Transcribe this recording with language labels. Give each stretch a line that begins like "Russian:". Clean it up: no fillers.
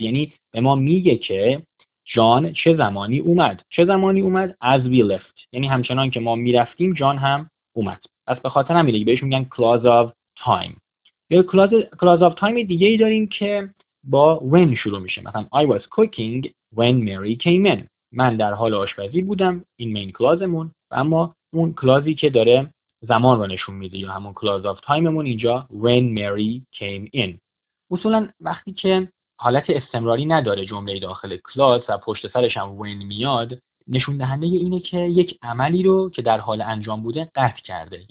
Persian: یعنی به ما میگه که John چه زمانی اومد. چه زمانی اومد؟
English: as we left.
Persian: یعنی همچنان که ما میرفتیم John هم اومد. پس به خاطر همینه که بهش میگن clause of time. یه کلاز آف تایم دیگه ای داریم که با when شروع میشه. مثلا
English: I was cooking when Mary came in.
Persian: من در حال آشپزی بودم، این مین کلازمون، اما اون کلازی که داره زمان رو نشون میده یا همون کلاز آف تایممون اینجا
English: when Mary came in.
Persian: اصولا وقتی که حالت استمراری نداره جمله داخل کلاز و پشت سرش هم when میاد، نشون دهنده اینه که یک عملی رو که در حال انجام بوده قطع کرده.